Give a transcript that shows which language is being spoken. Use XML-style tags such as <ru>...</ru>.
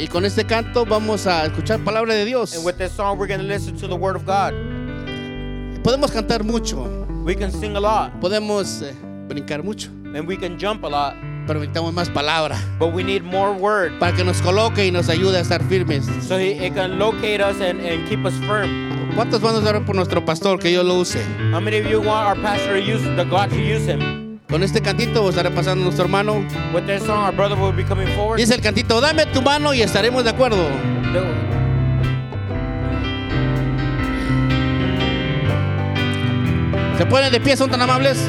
<es>Y con este canto vamos a escuchar palabra de Dios.</es> <en>And with this song we're going to listen to the word of God.</en> <es>Podemos cantar mucho.</es> <en>We can sing a lot.</en> <es>Podemos brincar mucho.</es> <en>And we can jump a lot.</en> <es>Pero necesitamos más palabra.</es> <en>But we need more word.</en> <es>Para que nos coloque y nos ayude a estar firmes.</es> <en>So he can locate us and keep us firm.</en> <es>¿Cuántos van a dar por nuestro pastor que yo lo use?</es> <en>How many of you want our pastor to use the God to use him?</en> <es>Con este cantito estará pasando nuestro hermano.</es> <en>With this song, our brother will be coming forward.</en> <es>Dice el cantito, dame tu mano y estaremos de acuerdo. ¿Se ponen de pie, son tan amables?</es>